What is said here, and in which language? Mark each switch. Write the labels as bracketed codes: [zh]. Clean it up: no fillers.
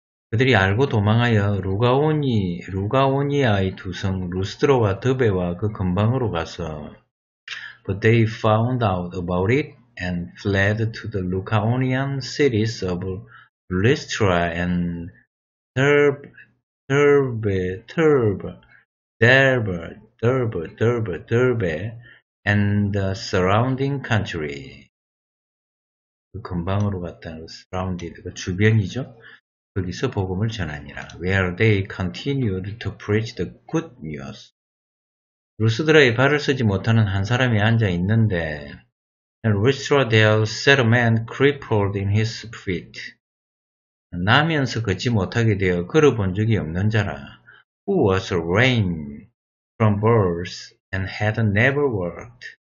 [ko] 그들이 알고 도망하여 루가오니아의 두성 루스트로와 더베와 그 근방으로 가서 [en] But they found out about it and fled to the Lucaonian cities of Lystra and Derbe, and the surrounding country. [ko] 그 근방으로 갔다는 surrounded, 그 주변이죠. 거기서 복음을 전하니라. [en] Where they continued to preach the good news. [ko] 루스드라의 발을 쓰지 못하는 한 사람이 앉아 있는데, [en] Lystra there sat a man crippled in his feet. [ko] 나면서 걷지 못하게 되어 걸어본 적이 없는 자라. [en] Who was lame from birth and had never walked.